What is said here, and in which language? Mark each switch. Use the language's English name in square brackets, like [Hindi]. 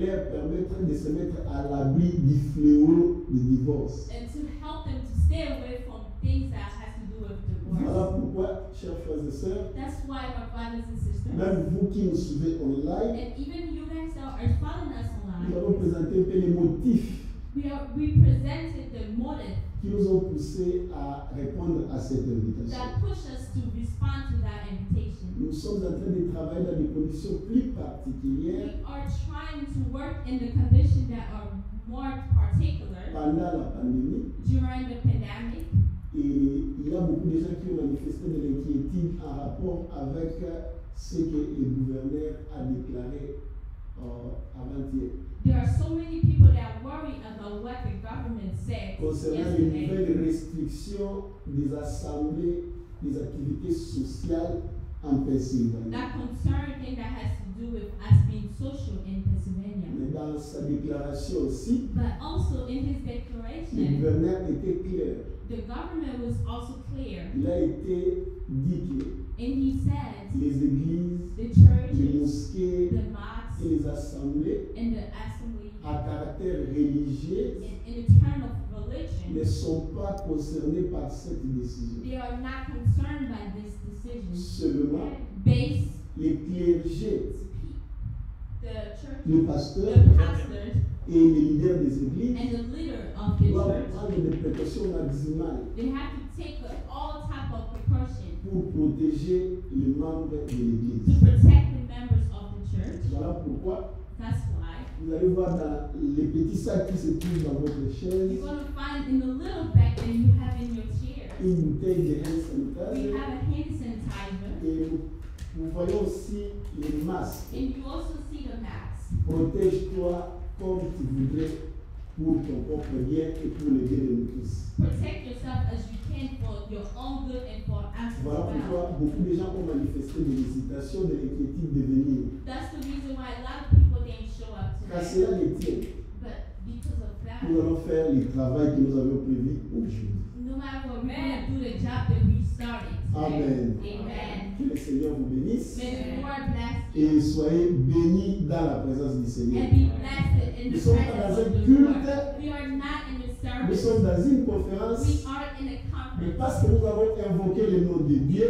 [French] leur permettre de se mettre à l'abri du fléau du divorce, [English] and to help them to stay away from things that have to do with divorce. [French] Voilà pourquoi, chers frères et sœurs, [English] that's why my brothers and sisters, [French] même vous qui nous suivez online, [English] and even you guys that are following us online, [French] nous allons présenter les motifs. [English] We presented the motive [French] qui nous ont poussé à répondre à cette invitation. [English] That pushed us to respond to that invitation. [French] Nous sommes en train de travailler dans des conditions plus particulières. [English] We are trying to work in the conditions that are more particular. [French] Pendant la pandémie. [English] During the pandemic. [French] Et il y a beaucoup de gens qui ont manifesté de l'inquiétude en rapport avec ce que le gouverneur a déclaré avant-hier. [English] There are so many people that worry about what the government said [French] concernant [English] yesterday. [French] Les nouvelles restrictions des assemblées, des activités sociales en Pennsylvanie. [English] That concern thing that has to do with us being social in Pennsylvania. [French] Mais dans sa déclaration aussi, [English] but also in his declaration, [French] le gouverneur était clair. [English] The government was also clear. [French] Il a été dit que [English] and he said, [French] les églises, [English] the churches, [French] les mosquées, [English] the mosques, [French] et les assemblées [English] and the assembly, [French] à caractère religieux [English] in term of religion, [French] ne sont pas concernées par cette décision. [English] They are not concerned by this decision. [French] Seulement [English] based [French] les clergés, [English] the church, [French] le pasteur, [English] the pastor, [French] et les leaders des églises [English] and the leader of the [French] doivent [English] church, [French] prendre des précautions maximales. [English] They have to take all type of precautions [French] pour protéger les membres de l'église. [English] To protect the members of church. [French] Voilà pourquoi. [English] That's why. [French] Vous allez voir dans les petits sacs qui se trouvent dans votre chaise. [English] You're going to find in the little bag that you have in your chair. [French] Une bouteille de hand sanitizer. [English] We have a hand sanitizer. [French] Et vous voyez aussi les masques. [English] And you also see the masks. [French] Protège-toi comme tu voudrais pour ton propre bien et pour le bien de nous tous. [English] Protect yourself as you can for your own good and for others. [French] Voilà pourquoi beaucoup de gens ont manifesté des hésitations, des inquiétudes de venir. [English] That's the reason why a lot of people didn't show up today. [French] Car cela les tient. [English] But because of that, [French] nous allons faire le travail que nous avions prévu aujourd'hui. [English] No matter what, we're going to do the job that we started. Amen. Amen. [French] Que le Seigneur vous bénisse. [English] May the Lord bless you. [French] Et soyez bénis dans la présence du Seigneur. [English] And be blessed in the [French] nous sommes dans un culte. [English] We are not in the service. [French] Nous sommes dans une conférence. [English] We are in a conference. [French] Mais parce que nous avons invoqué le nom de Dieu,